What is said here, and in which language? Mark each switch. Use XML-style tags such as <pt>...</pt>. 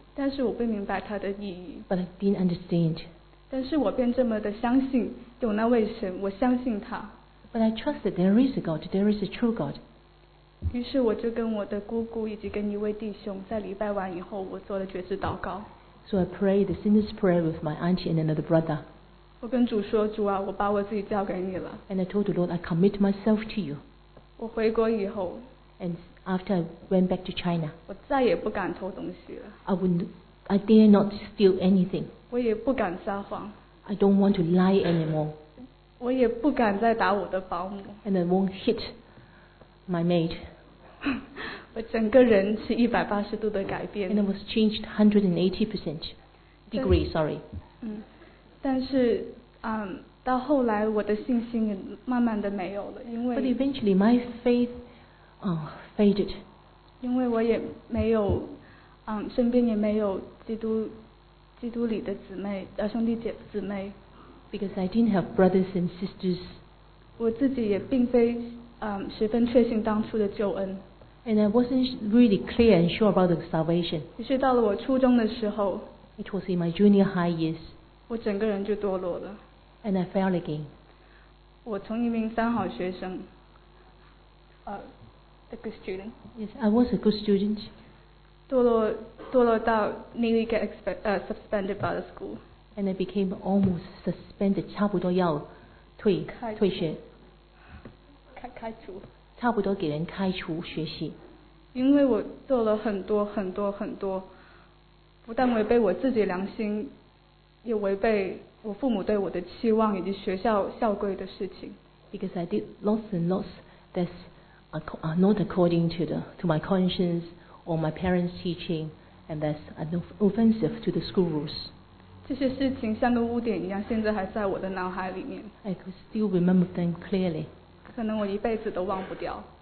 <zh>但是我不明白它的意义。</zh> <en>But I didn't understand.</en> <zh>但是我便这么的相信有那位神，我相信他。</zh> <en>But I trust that there is a God, there is a true God.</en> <zh>于是我就跟我的姑姑以及跟一位弟兄在礼拜完以后，我做了决志祷告。</zh> <en>So I prayed the sinner's prayer with my auntie and another brother.</en> <zh>我跟主说，主啊，我把我自己交给你了。</zh> <en>And I told the Lord, I commit myself to you.</en> <zh>我回国以后。</zh> <en>And after I went back to China.</en> <zh>我再也不敢偷东西了。</zh> <en>I dare not steal anything.</en> <zh>我也不敢撒谎。</zh> <en>I don't want to lie anymore.</en> <zh>我也不敢再打我的保姆。</zh> <en>And I won't hit my maid.</en> <zh>我整个人是180度的改变。</zh> <en>And I was changed 180% degree, sorry.</en> <zh>但是到后来我的信心也慢慢的没有了，因为。</zh> <en>But eventually my faith, faded.</en> <zh>因为我也没有，身边也没有基督里的姊妹，兄弟姐姊妹。</zh> <en>Because I didn't have brothers and sisters.</en> <zh>我自己也并非十分确信当初的救恩。</zh> <en>And I wasn't really clear and sure about the salvation.</en> <zh>于是到了我初中的时候。</zh> <en>It was in my junior high years.</en> <zh>我整个人就堕落了。</zh> <en>And I fell again.</en> <zh>我从一名三好学生。</zh> <en>A good student. Yes, I was a good student.</en> <zh>堕落到</zh> <en>nearly get suspended by the school. And I became almost suspended,</en> <zh>差不多要退学，开除，差不多给人开除学习。因为我做了很多很多很多，不但违背我自己良心，也违背我父母对我的期望以及学校校规的事情。</zh> <en>Because I did lots and lots that are not according to my conscience or my parents' teaching, and that's an offensive to the school rules.</en> <zh>这些事情像个污点一样，现在还在我的脑海里面。</zh> <en>I can still remember them clearly.</en> <zh>可能我一辈子都忘不掉。</zh>